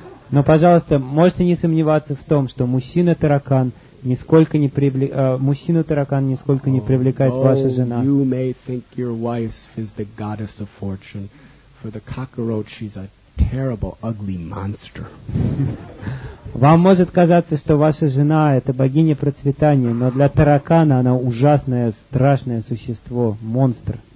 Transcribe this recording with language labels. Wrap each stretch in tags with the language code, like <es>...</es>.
<ru>Но, пожалуйста, можете не сомневаться в том, что мужчина-таракан нисколько не мужчина-таракан нисколько не привлекает ваша жена.</ru> <en>You may think your wife is the goddess of fortune. For the cockroach, she's a terrible, ugly monster.</en> <ru>Вам может казаться, что ваша жена — это богиня процветания, но для таракана она ужасное, страшное существо, монстр.</ru>